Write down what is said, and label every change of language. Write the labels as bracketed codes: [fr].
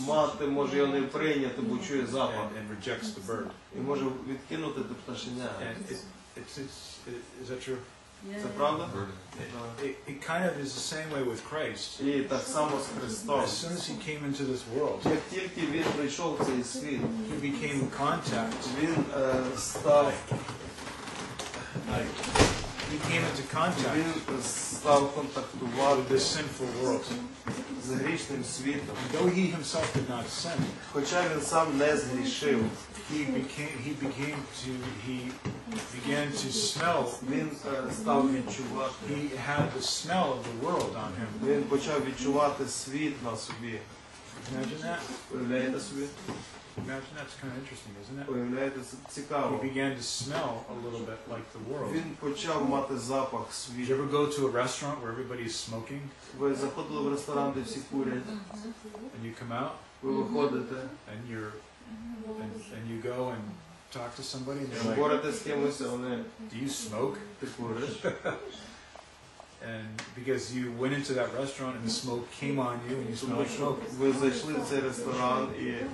[uk] Мати може його не прийняти, бо чує запах. [en] And rejects the bird. [uk] І може відкинути те пташеня. [en] Is that true? Yeah. [uk] Це правда? [en] It kind of is the same way with Christ. [uk] І так само з Христом. [en] As soon as he came into this world. [uk] Як тільки він прийшов в цей світ. [en] He became contact. [uk] Він став. [en] He came into contact. [uk] Він став контактувати [en] with this sinful world. [uk] З грішним світом. [en] Though he himself did not sin. [uk] Хоча він сам не згрішив. [en] He began to smell. [uk] Він став відчувати. [en] He had the smell of the world on him. [uk] Він почав відчувати світ на собі. [en] Imagine that. [uk] Уявляєте собі? [en] Imagine that's kind of interesting, isn't it? [uk] Уявляєте, цікаво. [en] He began to smell a little bit like the world. [uk] Він почав мати запах світу. [en] Did you ever go to a restaurant where everybody is smoking? [uk] Ви заходили в ресторан, де всі курять. [en] And you come out? [uk] Ви виходите. [en] And you go and talk to somebody and they're like, [uk] говорите з кимось, вони, [en] do you smoke? [uk] Ти куриш? [en] And because you went into that restaurant and the smoke came on you and you smelled smoke. [uk] Ви зайшли в цей ресторан і